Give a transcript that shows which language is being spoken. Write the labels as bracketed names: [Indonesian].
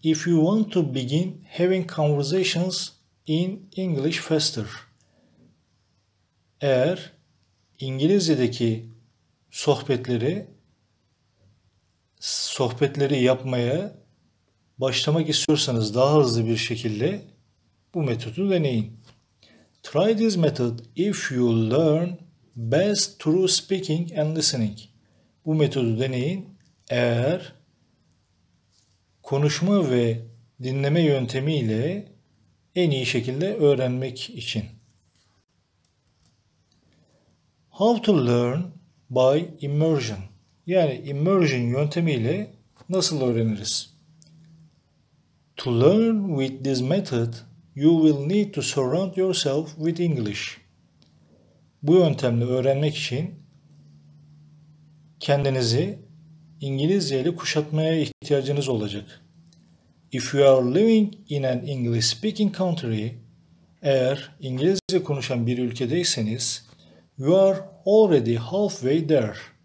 [English] If you want to begin having conversations in English faster. [Turkish] Eğer İngilizce'deki sohbetleri yapmaya başlamak istiyorsanız daha hızlı bir şekilde bu metodu deneyin. [English] Try this method if you learn best through speaking and listening. [Turkish] Bu metodu deneyin eğer konuşma ve dinleme yöntemiyle en iyi şekilde öğrenmek için. [English] How to learn by immersion. [Turkish] Yani immersion yöntemiyle nasıl öğreniriz? [English] To learn with this method, you will need to surround yourself with English. [Turkish] Bu yöntemle öğrenmek için kendinizi İngilizce ile kuşatmaya ihtiyacınız olacak. [English] If you are living in an English speaking country, [Turkish] eğer İngilizce konuşan bir ülkedeyseniz, [English] you are already halfway there.